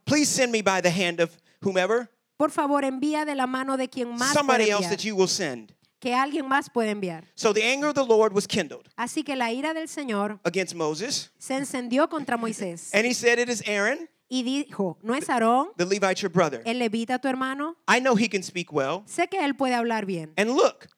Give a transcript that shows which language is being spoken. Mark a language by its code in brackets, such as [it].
[en] please send me by the hand of whomever. [es] Por favor, envía de la mano de quien más [en] somebody [es] puede [en] else [es] enviar, [en] that you will send. [es] Que alguien más puede enviar. [en] So the anger of the Lord was kindled. [es] Así que la ira del Señor [en] against Moses. [es] Se encendió contra Moisés. [en] And he said, it is Aaron. [es] Y dijo, ¿no es Aarón? [en] The Levite, your brother. [es] El levita, tu hermano. [en] I know he can speak well. [es] Sé que él puede hablar bien. [en] And look.